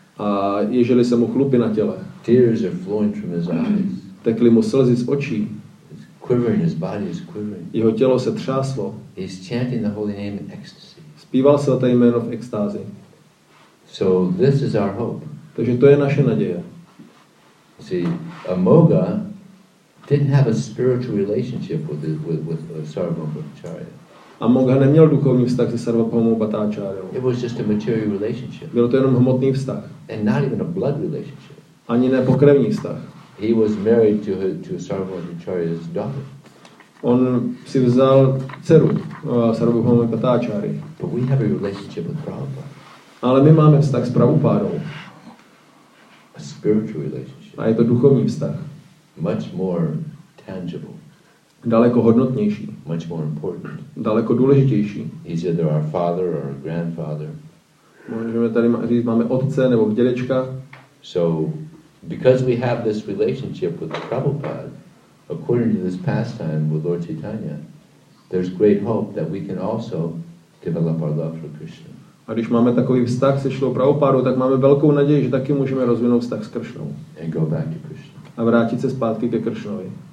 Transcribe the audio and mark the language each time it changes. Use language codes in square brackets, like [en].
[cs] A ježily se mu chlupy na těle. [en] Tears are flowing from his eyes. [cs] Tekly mu slzy z očí. [en] It's quivering, his body is quivering. [cs] Jeho tělo se třáslo. [en] He's chanting the holy name in ecstasy. [cs] Zpíval se to jméno v extázi. [en] So this is our hope. [cs] Takže to je naše naděje. [en] See, Amoga didn't have a spiritual relationship with Sarvabhauma Bhattacharya. [cs] Amoga neměl duchovní vztah se Sarvabhauma Bhattacharya. [en] It was just a material relationship. [cs] Bylo to jenom hmotný vztah. [en] And not even a blood relationship. [cs] Ani ne pokrevní vztah. [en] He was married to Sarvabhauma Bhattacharya's daughter. [cs] On si vzal dceru Sarvabhauma Bhattacharya. [en] But we have a relationship with Prabhupada. [cs] Ale my máme vztah s Prabhupádou. [en] Spiritual relationship. [cs] A je to duchovní vztah. [en] Much more tangible. [cs] Daleko hodnotnější. [en] Much more important. [cs] Daleko důležitější. [en] He's either our father or our grandfather. [cs] Můžeme tady říct, máme otce nebo dědečka. [en] So, because we have this relationship with Prabhupada, according to this pastime with Lord Chaitanya, there's great hope that we can also develop our love for Krishna. [cs] A když máme takový vztah se Šrilou Prabhupádou, tak máme velkou naději, že taky můžeme rozvinout vztah s Kršnou. A vrátit se zpátky ke Kršnovi.